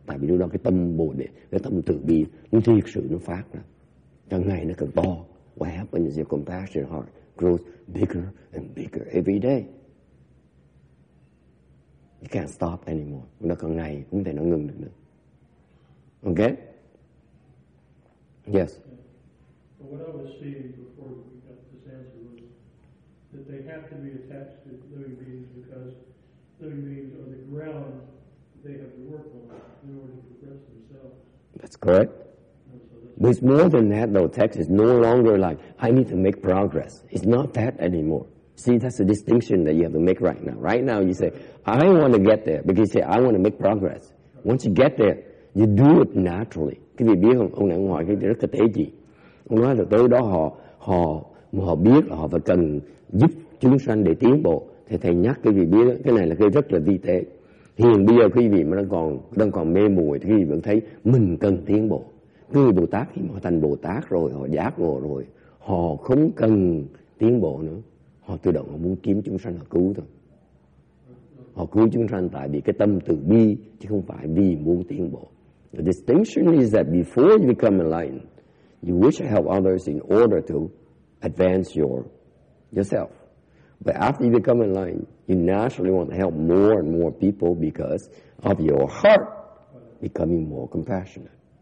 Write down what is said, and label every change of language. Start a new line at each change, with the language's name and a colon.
Vietnamese: Tại vì lúc đó cái tâm bồ đề, cái tâm từ bi, nó thiệt sự nó phát ra. Càng ngày nó càng to.
English: What happens is your compassionate heart grows bigger and bigger every day. You can't stop anymore.
Vietnamese: Nó càng ngày cũng thể nó ngừng được nữa.
English: Okay? Yes. But what I was seeing before we got this answer was that they have to be attached to living beings because living beings are the ground they have to work on in order to progress themselves. That's correct. But it's more than that, though. Text is no longer like, I need to make progress. It's not that anymore. See, that's the distinction that you have to make right now. Right now, you say, I want to get there. Because you say, I want to make progress. Once you get there, you do it naturally.
Vietnamese: Cái vị biết không? Ông này ông hỏi cái rất là tế gì? Ông nói là tới đó họ biết là họ phải cần giúp chúng sanh để tiến bộ. Thì thầy nhắc cái vị biết, cái này là cái rất là vi tế. Hiện bây giờ cái vị mà đang còn mê muội thì cái vị vẫn thấy mình cần tiến bộ. Cái người Bồ Tát khi mà thành Bồ Tát rồi, họ giác ngộ rồi, họ không cần tiến bộ nữa. Họ tự động họ muốn kiếm chúng sanh họ cứu thôi. Họ cứu chúng sanh tại vì cái tâm từ bi, chứ không phải vì muốn tiến bộ.
English: The distinction is that before you become enlightened, you wish to help others in order to advance yourself. But after you become enlightened, you naturally want to help more and more people because of your heart becoming more compassionate.